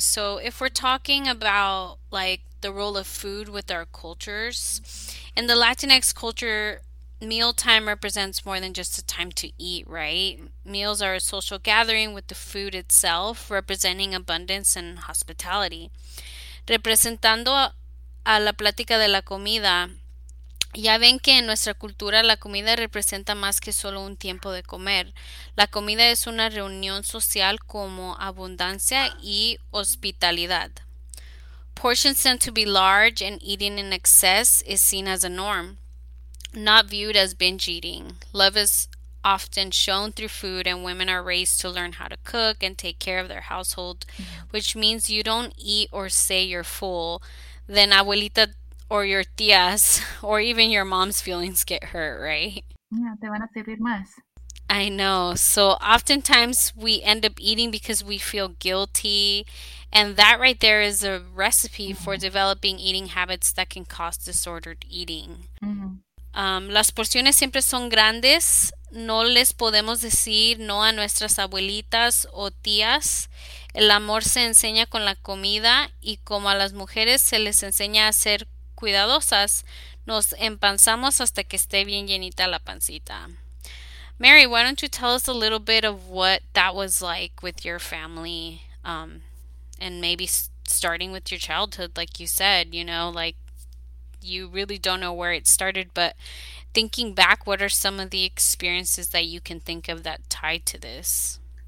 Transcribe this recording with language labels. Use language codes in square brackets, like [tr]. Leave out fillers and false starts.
[en] So, if we're talking about like the role of food with our cultures, in the Latinx culture, mealtime represents more than just a time to eat, right? Meals are a social gathering with the food itself representing abundance and hospitality. [es] Representando a la plática de la comida, ya ven que en nuestra cultura la comida representa más que solo un tiempo de comer. La comida es una reunión social como abundancia y hospitalidad. [en] Portions tend to be large and eating in excess is seen as a norm, not viewed as binge eating. Love is often shown through food and women are raised to learn how to cook and take care of their household, which means you don't eat or say you're full, then abuelita or your tías or even your mom's feelings get hurt, right? [es] Te van a servir más. [en] I know. So oftentimes we end up eating because we feel guilty. And that right there is a recipe for developing eating habits that can cause disordered eating. [es] Las porciones siempre son grandes. No les podemos decir no a nuestras abuelitas o tías. El amor se enseña con la comida y como a las mujeres se les enseña a ser cuidadosas, nos empanzamos hasta que esté bien llenita la pancita. [en] Mary, why don't you tell us a little bit of what that was like with your family, and maybe starting with your childhood, like you said, like you really don't know where it started, but thinking back, what are some of the experiences that you can think of that tied to this?